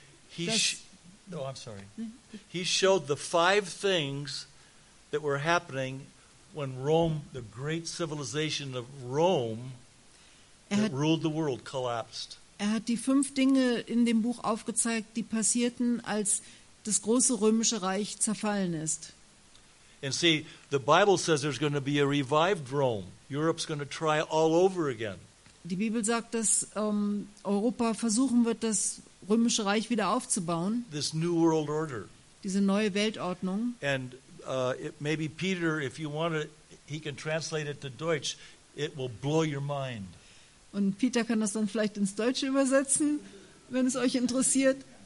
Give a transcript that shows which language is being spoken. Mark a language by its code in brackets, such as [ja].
[en] He showed the five things that were happening when Rome, the great civilization of Rome, that ruled the world, collapsed. [de] Er hat die fünf Dinge in dem Buch aufgezeigt, die passierten, als das große römische Reich zerfallen ist. [en] And see, the Bible says there's going to be a revived Rome. Europe's going to try all over again. [de] Die Bibel sagt, dass Europa versuchen wird, das römische Reich wieder aufzubauen. [en] This new world order. [de] Diese neue Weltordnung. [en] And maybe Peter, if you want it, he can translate it to Deutsch. It will blow your mind. [de] Und Peter kann das dann vielleicht ins Deutsche übersetzen, wenn es euch interessiert.